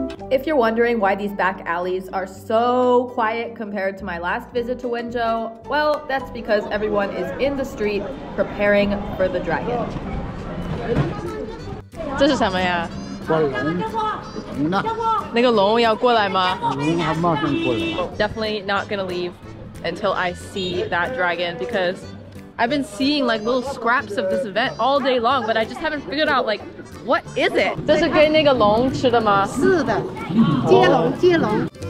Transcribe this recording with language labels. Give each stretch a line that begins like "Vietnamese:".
English: If you're wondering why these back alleys are so quiet compared to my last visit to Wenzhou, well, that's because everyone is in the street preparing for the dragon.
Chinese: 这是什么呀？龙，龙呢？那个龙要过来吗？龙还没过来。
English: Definitely not gonna leave until I see that dragon because I've been seeing like little scraps of this event all day long, but I just haven't figured out like what is it?
Chinese: 这是给那个龙吃的吗？是的，接龙。